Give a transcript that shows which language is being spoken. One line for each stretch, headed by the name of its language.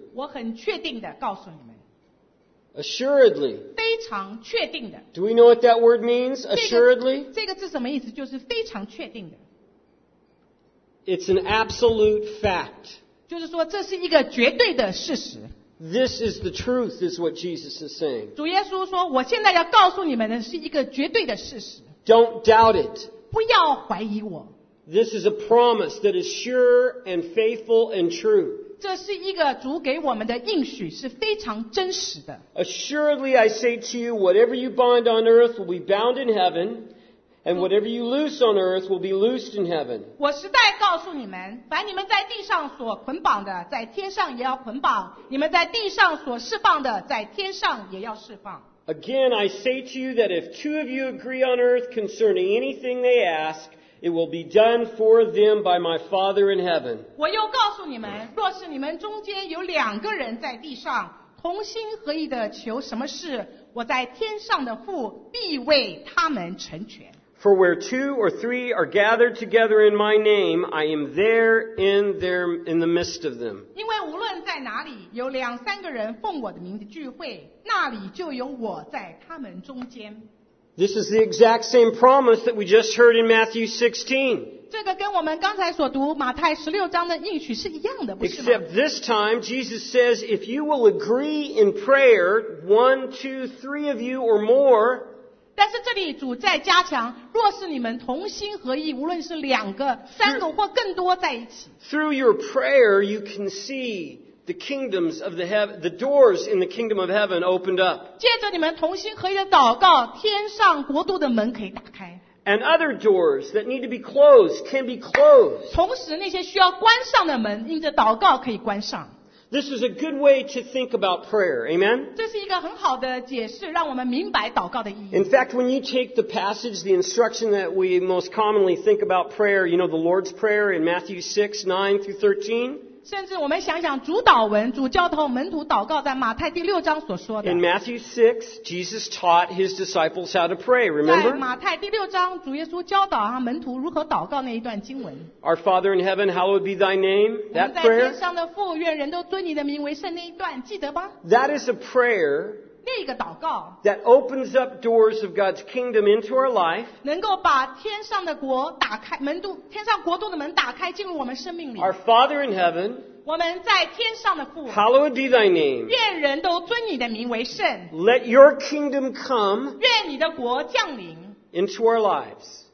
Chinese: 我很确定的告诉你们。
English: Assuredly.
Chinese: 非常确定的。
English: Do we know what that word means? Assuredly?
Chinese: 这个字什么意思？就是非常确定的。
English: It's an absolute fact.
Chinese: 就是说这是一个绝对的事实。
English: This is the truth, is what Jesus is saying.
Chinese: 主耶稣说，我现在要告诉你们的是一个绝对的事实。
English: Don't doubt it.
Chinese: 不要怀疑我。
English: This is a promise that is sure and faithful and true.
Chinese: 这是一个主给我们的应许是非常真实的
English: Assuredly I say to you whatever you bind on earth will be bound in heaven and whatever you loose on earth will be loosed in heaven
Chinese: 我实在告诉你们把你们在地上所捆绑的在天上也要捆绑你们在地上所释放的在天上也要释放
English: Again I say to you that if two of you agree on earth concerning anything they askIt will be done for them by my Father in heaven.
Chinese: 我又告诉你们，若是你们中间有两个人在地上同心合意的求什么事，我在天上的父必为他们成全。
English: For where two or three are gathered together in my name, I am there in the midst of them.
Chinese: 因为无论在哪里有两三个人奉我的名字聚会，那里就有我在他们中间。
English: This is the exact same promise that we just heard in Matthew 16.
Chinese: 这个跟我们刚才所读马太十六章的应许是一样的，不是吗？
English: Except this time, Jesus says, if you will agree in prayer, one, two, three of you or more.
Chinese: 但是这里主在加强，若是你们同心合意，无论是两个、三个或更多在一起。
English: Through your prayer, you can see. The kingdoms of the heaven, the doors in the kingdom of heaven opened up.
Chinese: 借着你们同心合意的祷告，天上国度的门可以打开。
English: And other doors that need to be closed can be closed.
Chinese: 同时，那些需要关上的门，因着祷告可以关上。
English: This is a good way to think about prayer. Amen.
Chinese: 这是一个很好的解释，让我们明白祷告的意义。
English: In fact, when you take the passage, the instruction that we most commonly think about prayer, you know, the Lord's Prayer in Matthew 6:9-13.
Chinese: 甚至我们想想主导文主教头门徒祷告在马太第六章所说的
English: In Matthew 6 Jesus taught his disciples how to pray Remember?
Chinese: 在马太第六章主耶稣教导他门徒如何祷告那一段经文
English: Our Father in heaven hallowed be thy name That prayer
Chinese: 我们在天上的父愿人都尊你的名为圣那一段记得吧
English: That is a prayer
Chinese: 那个祷告
English: that opens up doors of God's kingdom into our life,
Chinese: 能够把天上的国打开门度天上国度的门打开进入我们生命里
English: our Father in heaven,
Chinese: 我们在天上的父
English: Hallowed be thy name.
Chinese: 愿人都尊你的名为圣
English: Let your kingdom come.
Chinese: 愿你的国降临
English: Into our lives.